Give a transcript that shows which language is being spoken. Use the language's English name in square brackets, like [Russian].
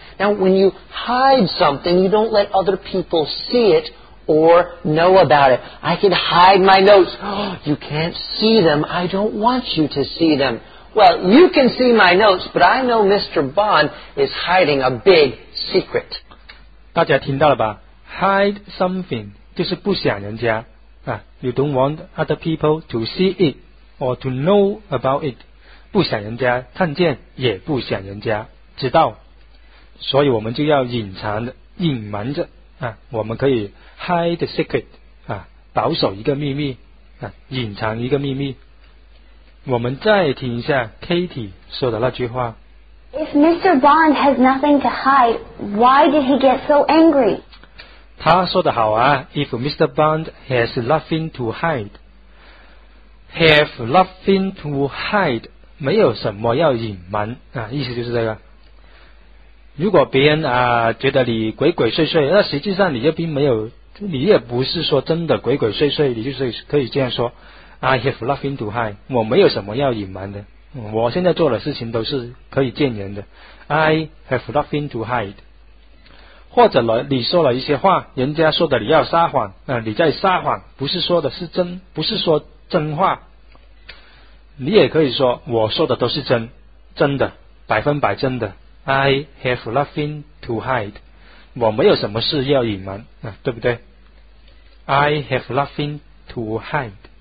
[English] Now, when you hide something, you don't let other people see it. Or know about it. I can hide my notes. You can't see them. I don't want you to see them. Well, you can see my notes, but I know Mr. Bond is hiding a big secret. [Chinese] 大家听到了吧 ？ [English] Hide something [Chinese] 就是不想人家啊。 [English] You don't want other people to see it or to know about it. [Chinese] 不想人家看见，也不想人家知道。所以我们就要隐藏的，隐瞒着啊。我们可以 [English] hide a secret [Chinese] 啊，保守一个秘密啊，隐藏一个秘密。我们再听一下 Katie 说的那句话。 [English] If Mr. Bond has nothing to hide, why did he get so angry? [Chinese] 他说得好啊 , [English] If Mr. Bond has nothing to hide, have nothing to hide, [Chinese] 没有什么要隐瞒啊，意思就是这个。如果别人啊觉得你鬼鬼祟祟，那实际上你就并没有，你也不是说真的鬼鬼祟祟，你就是可以这样说 , [English] I have nothing to hide, [Chinese] 我没有什么要隐瞒的。我现在做的事情都是可以见人的 [English] I have nothing to hide [Chinese] 或者你说了一些话人家说的你要撒谎、你在撒谎不是说的是真不是说真话你也可以说我说的都是真真的百分百真的 I have nothing to hide 我没有什么事要隐瞒、对不对 I have nothing to hideHide